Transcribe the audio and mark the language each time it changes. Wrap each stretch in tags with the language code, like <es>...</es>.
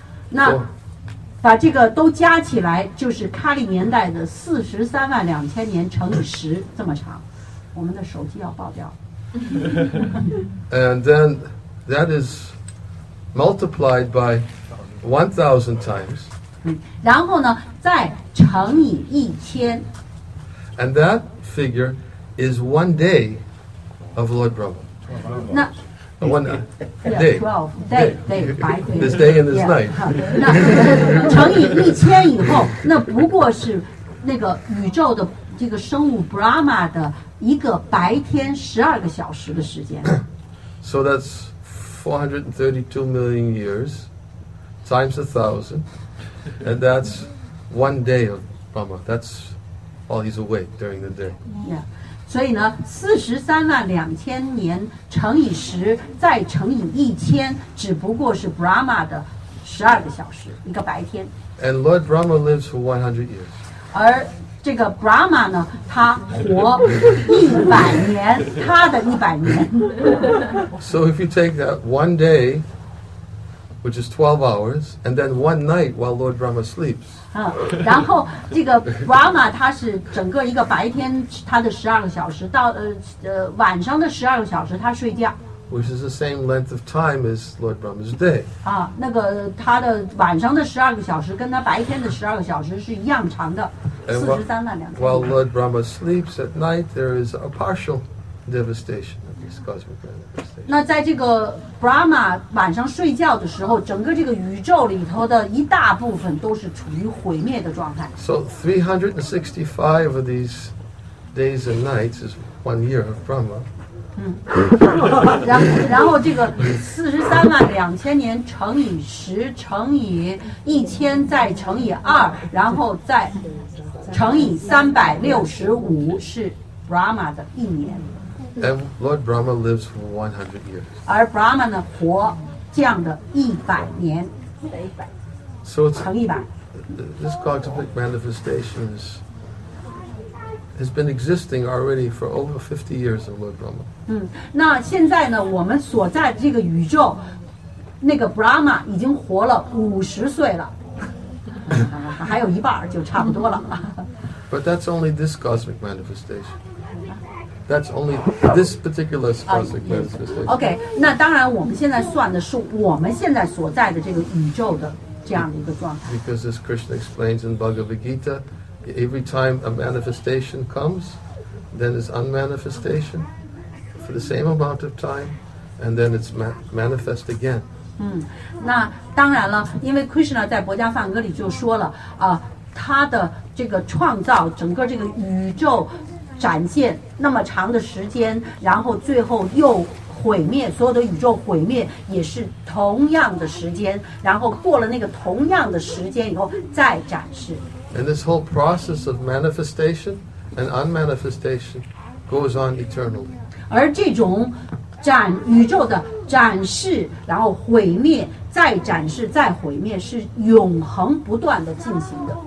<zh>那 把这个都加起来，就是卡利年代的43万2000年乘10，这么长。我们的手机要爆掉。</zh> <en>And then that is multiplied by 1,000 times.</en> <zh>然后呢，再乘以1000。</zh> <en>And that figure is one day of Lord Brahma. 那 one day. Twelve day. This day and this night.</en> <zh>那乘以一千以后，那不过是那个宇宙的这个生物 Brahma 的一个白天12个小时的时间。</zh> <en>So that's 432 million years times 1,000, and that's one day of Brahma. That's while he's awake during the day. Yeah.</en> <zh>所以呢，四十三万两千年乘以十，再乘以一千，只不过是 Brahma 的12个小时，一个白天。</zh> <en>And Lord Brahma lives for 100 years.</en> <zh>而这个 Brahma 呢，他活100年，他的100年。</zh> <en>So if you take that one day, which is 12 hours, and then one night while Lord Brahma sleeps.</en> <zh>然后这个 Brahma 他是整个一个白天他的十二个小时，到晚上的12个小时他睡觉。</zh> <en>Which is the same length of time as Lord Brahma's day.</en> <zh>那个他的晚上的十二个小时跟他白天的十二个小时是一样长的，四十三万两千。</zh> <en>While Lord Brahma sleeps at night, there is a partial devastation of this cosmic manifestation.</en> <zh>那在这个 Brahma 晚上睡觉的时候，整个这个宇宙里头的一大部分都是处于毁灭的状态。</zh> <en>So 365 of these days and nights is 1 year of Brahma.</en> <zh>然后这个432,000年乘以十乘以一千再乘以二，然后再乘以365是 Brahma 的一年。</zh> <en>And Lord Brahma lives for 100 years.</en> <zh>而 Brahma 呢活这样的100年。</zh> <en>So it's</en> <zh>乘一百。</zh> <en>This cosmic manifestation is. Has been existing already for over 50 years of Lord Brahma.</en> <zh>那现在呢，我们所在这个宇宙，那个 Brahma 已经活了50岁了，还有一半就差不多了。</zh> <en>But that's only this cosmic manifestation. That's only this particular cosmic manifestation.</en> <zh>Okay, 那当然，我们现在算的是我们现在所在的这个宇宙的这样的一个状态。</zh> <en>Because as Krishna explains in Bhagavad Gita. Every time a manifestation comes, then it's unmanifestation for the same amount of time, and then it's manifest again.</en> <zh>那当然了，因为 Krishna 在《薄伽梵歌》里就说了，他的这个创造，整个这个宇宙展现那么长的时间，然后最后又毁灭，所有的宇宙毁灭也是同样的时间，然后过了那个同样的时间以后再展示。</zh> <en>And this whole process of manifestation and unmanifestation goes on eternally.</en> <zh>而这种展宇宙的展示，然后毁灭，再展示，再毁灭，是永恒不断的进行的。</zh>